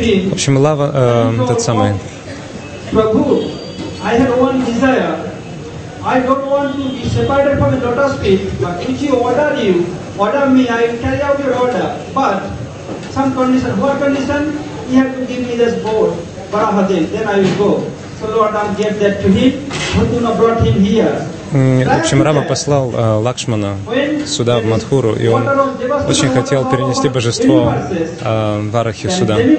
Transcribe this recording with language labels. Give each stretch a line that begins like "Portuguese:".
Russian: в общем, Лава, тот самый
English: Прабху, I have one desire. I don't want to be separated from the lotus feet, but if you order you, order me, I will carry out your order. But some condition, what condition? You have to give me this board, Varahadev, then I will go. So Lord, I'll get that to him.
Russian: В общем, Рама послал Лакшмана сюда, в Матхуру, и он очень хотел перенести божество Варахи сюда.